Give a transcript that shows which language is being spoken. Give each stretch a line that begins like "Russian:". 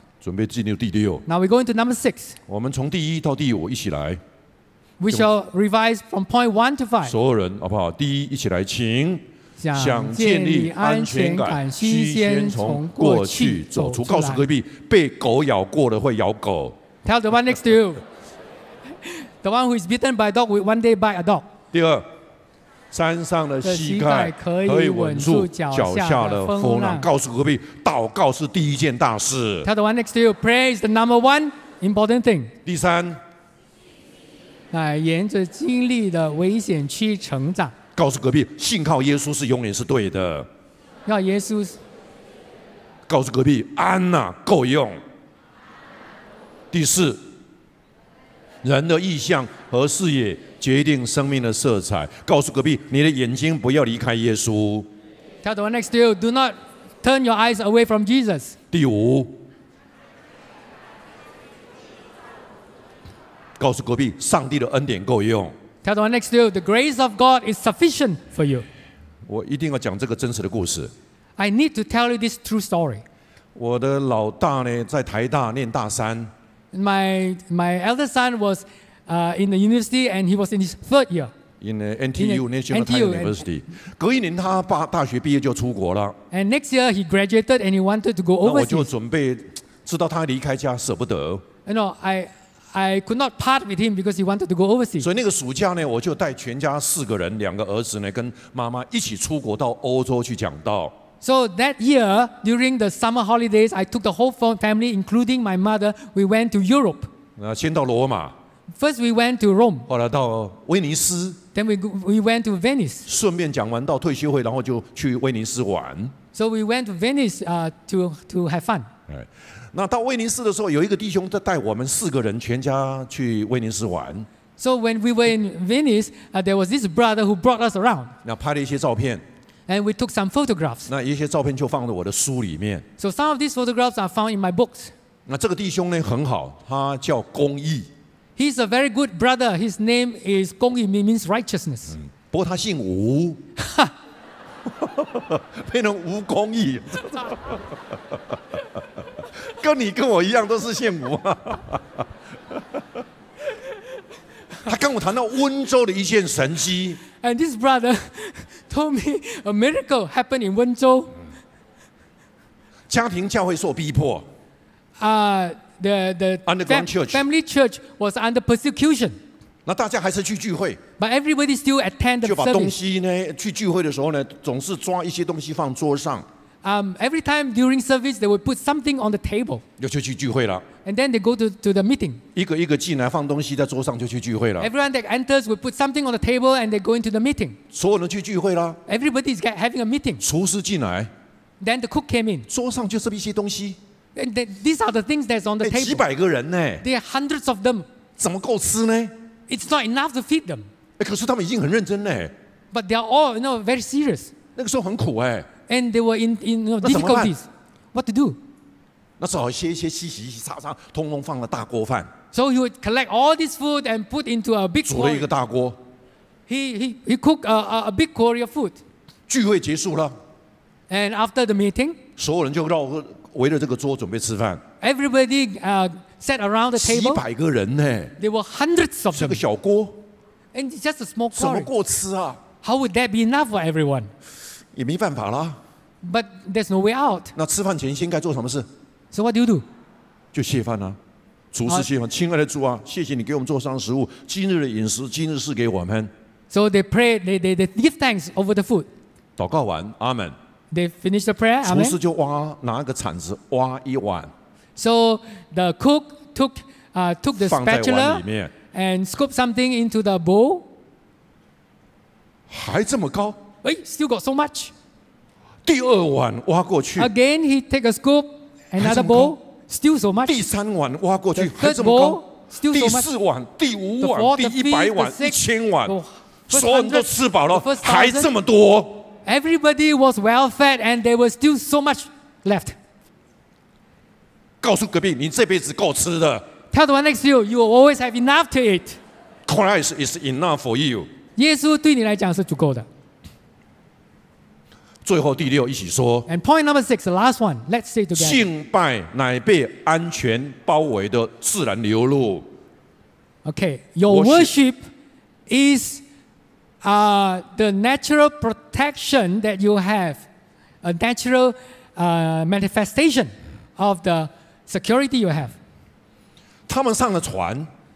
Chinese: 准备进入第六。
English: Now we go into number six.
Chinese: 我们从第一到第五一起来。
English: We shall revise from point one to five.
Chinese: 所有人好不好？第一，一起来，请。想建立安全感，需先从过去走出。告诉隔壁，被狗咬过的会咬狗。
English: Tell the one next to you, the one who is bitten by a dog will one day bite a dog.
Chinese: 第二，山上的膝盖可以稳住脚下的风浪。告诉隔壁，祷告是第一件大事。
English: Tell the one next to you, prayer is the number one important thing.
Chinese: 第三，乃沿着经历的危险区成长。告诉隔壁，信靠耶稣是永远是对的。要耶稣。告诉隔壁，安呐、啊、够用。第四，人的意向和视野决定生命的色彩。告诉隔壁，你的眼睛不要离开耶稣。
English: Tell the one next to you, do not turn your eyes away from Jesus.
Chinese: 第五，告诉隔壁，上帝的恩典够用。
English: Tell the one next to you, the grace of God is sufficient for you.
Chinese: 我一定要讲这个真实的故事。
English: I need to tell you this true story.
Chinese: 我的老大呢，在台大念大三。
English: My elder son was in the university and he was in his third year. In NTU, National Taiwan University.
Chinese: 隔一年他大学毕业就出国了。
English: And next year he graduated and he wanted to go overseas.
Chinese: 那我就准备，知道他离开家舍不得。
English: No, I could not part with him because he wanted to go overseas.
Chinese: 所以那个暑假呢，我就带全家四个人，两个儿子呢，跟妈妈一起出国到欧洲去讲道。
English: So that year, during the summer holidays, I took the whole family, including my mother, we went to Europe.
Chinese: 先到罗马。
English: First we went to Rome.
Chinese: 后来到威尼斯。
English: Then we went to Venice.
Chinese: 顺便讲完到退休会，然后就去威尼斯玩。
English: So we went to Venice, to have fun.
Chinese: 那到威尼斯的时候，有一个弟兄在带我们四个人全家去威尼斯玩。
English: So when we were in Venice, there was this brother who brought us around.
Chinese: 那拍了一些照片。
English: And we took some photographs.
Chinese: 那一些照片就放在我的书里面。
English: So some of these photographs are found in my books.
Chinese: 那这个弟兄呢很好，他叫公义。
English: He's a very good brother. His name is 公义 means righteousness.
Chinese: 不过他姓吴。变成吴公义。跟你跟我一样都是羡慕。他跟我谈到温州的一件神迹。
English: And this brother told me a miracle happened in 温州。
Chinese: 家庭教会受逼迫。
English: The underground church. Family church was under persecution.
Chinese: 那大家还是去聚会。
English: But everybody still attend the service.
Chinese: 就把东西呢，去聚会的时候呢，总是抓一些东西放桌上。
English: Every time during service, they would put something on the table.
Chinese: 又就去聚会了。
English: And then they go to the meeting.
Chinese: 一个一个进来放东西在桌上就去聚会了。
English: Everyone that enters would put something on the table and they go into the meeting.
Chinese: 所有人去聚会了。
English: Everybody is having a meeting.
Chinese: 厨师进来。
English: Then the cook came in.
Chinese: 桌上就是一些东西。
English: And these are the things that's on the table.
Chinese: 几百个人呢。
English: There are hundreds of them.
Chinese: 怎么够吃呢？
English: It's not enough to feed them.
Chinese: 可是他们已经很认真呢。
English: But they are all, you know, very serious.
Chinese: 那个时候很苦哎。
English: And they were in you know, difficulties. What to do?
Chinese: 那只好切一些，洗洗洗，擦擦，通通放了大锅饭。
English: So he would collect all this food and put into a big.
Chinese: 煮了一个大锅。
English: He cooked a big quarry of food.
Chinese: 聚会结束了。
English: And after the meeting,
Chinese: 所有人就围着这个桌准备吃饭。
English: Everybody sat around the table.
Chinese: 几百个人呢。
English: There were hundreds of them.
Chinese: 是个小锅。
English: And just a small quarry.
Chinese: 怎么过吃啊？
English: How would that be enough for everyone?
Chinese: 也没办法啦。
English: But there's no way out.
Chinese: 那吃饭前先该做什么事？
English: So what do you do?
Chinese: 就谢饭啊。主是谢饭，亲爱的主啊，谢谢你给我们做上食物，今日的饮食，今日赐给我们。
English: So they pray, they give thanks over the food.
Chinese: 祷告完，阿门。
English: They finish the prayer.
Chinese: 厨师就挖拿个铲子挖一碗。
English: So the cook took the spatula and scooped something into the bowl.
Chinese: 还这么高？
English: 哎 ，still got so much.
Chinese: 第二碗挖过去。
English: Again, he take a scoop, another bowl. Still so much.
Chinese: 第三碗挖过去还这么高。
English: Still so much.
Chinese: 第四碗、第五碗、第一百碗、一千碗，所有人都吃饱了，还这么多。
English: Everybody was well fed, and there was still so much left.
Chinese: 告诉隔壁，你这辈子够吃的。
English: Tell the one next to you, you will always have enough to eat. Christ is enough for you.
Chinese: 耶稣对你来讲是足够的。最后第六一起说。
English: And point number six, the last one. Let's say together.
Chinese: 敬拜乃被安全包围的自然流露。
English: Okay, your worship is the natural protection that you have, a natural manifestation of the security you have.
Chinese: 他们上了船。